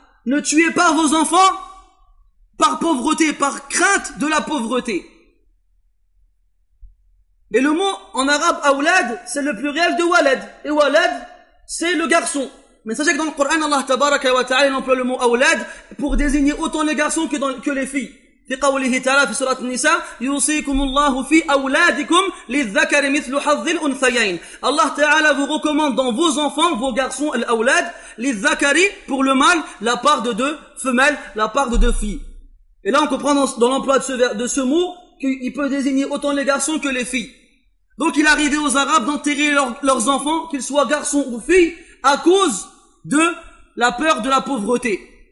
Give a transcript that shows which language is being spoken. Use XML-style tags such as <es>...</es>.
<fr>Ne tuez pas vos enfants par pauvreté, par crainte de la pauvreté. Et le mot en arabe, أولاد, c'est le pluriel de walad. Et walad, c'est le garçon. Mais sachez que dans le Coran, Allah tabaraka wa ta'ala, il emploie le mot أولاد pour désigner autant les garçons que les filles.</fr> <ar>في قوله تعالى في سورة النساء يوصيكم الله في أولادكم للذكر مثل حظ الأنثيين.</ar> <fr>الله تعالى vous recommande dans vos enfants, vos garçons, الأولاد, للذكر pour le mâle, la part de deux femelles, la part de deux filles. Et là on comprend dans l'emploi de ce mot qu'il peut désigner autant les garçons que les filles. Donc il arrivait aux Arabes d'enterrer leurs enfants, qu'ils soient garçons ou filles, à cause de la peur de la pauvreté.</fr>